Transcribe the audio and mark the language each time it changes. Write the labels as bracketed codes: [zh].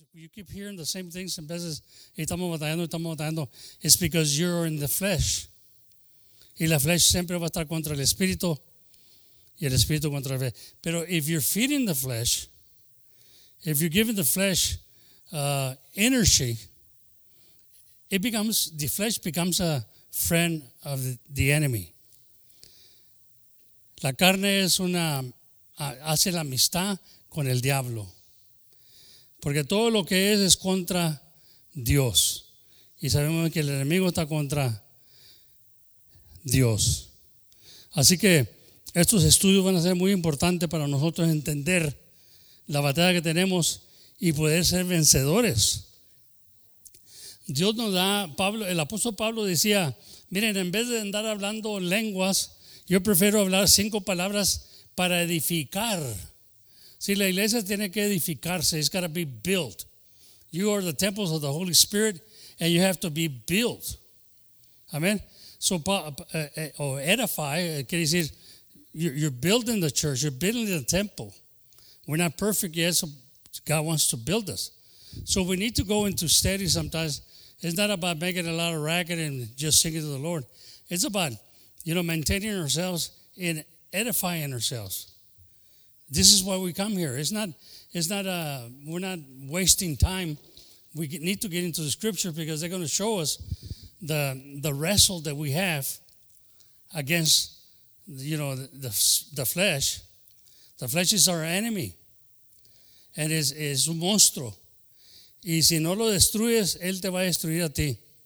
[en] you keep hearing the same things and [es] veces, estamos batallando, [en] it's because you're in the flesh. [es] Y la flesh siempre va a estar contra el espíritu y el espíritu contra la fe. Pero [en] if you're feeding the flesh, if you're giving the flesh energy, it becomes, the flesh becomes a friend of the enemy. [es] La carne es una, hace la amistad con el diablo. Porque todo lo que es contra Dios. Y sabemos que el enemigo está contra Dios. Así que estos estudios van a ser muy importantes para nosotros entender la batalla que tenemos y poder ser vencedores. Dios nos da, Pablo, el apóstol Pablo decía, miren, en vez de andar hablando lenguas, yo prefiero hablar cinco palabras para edificar. Si la iglesia tiene que edificarse, [en] it's got to be built. You are the temples of the Holy Spirit, and you have to be built. Amen. So, edify, [es] quiere decir, [en] you're building the church, you're building the temple. We're not perfect yet, so God wants to build us. So we need to go into study sometimes. It's not about making a lot of racket and just singing to the Lord. It's about, you know, maintaining ourselves and edifying ourselves. This is why we come here. We're not wasting time. We need to get into the scripture because they're going to show us the wrestle that we have against, you know, the flesh. The flesh is our enemy. And [es] es un monstruo. Y si no lo destruyes, él te va a destruir a ti.